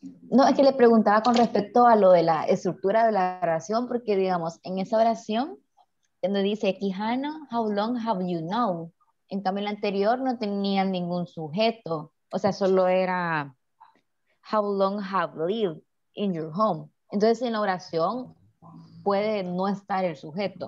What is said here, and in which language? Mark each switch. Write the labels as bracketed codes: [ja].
[es] No, es que le preguntaba con respecto a lo de la estructura de la oración, porque digamos, en esa oración, donde dice, Quijano, [en] how long have you known? [es] En cambio, en la anterior no tenía ningún sujeto. O sea, solo era, [en] how long have lived in your home? [es] Entonces, en la oración puede no estar el sujeto.